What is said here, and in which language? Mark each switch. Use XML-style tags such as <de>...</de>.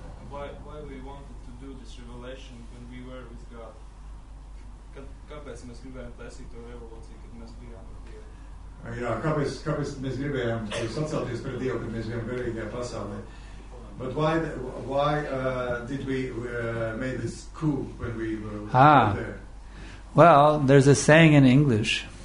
<en>Why we wanted to do this revelation when we were with God?</en> <lv>Kāpēc mēs gribējām taisīt to revolūciju, kad mēs bijām ar Dievu? Jā, kāpēc mēs gribējām sacelties pret Dievu, kad mēs bijām garīgajā pasaulē?</lv> <en>But why did we make this coup when we were there? Well, there's a saying in English.</en>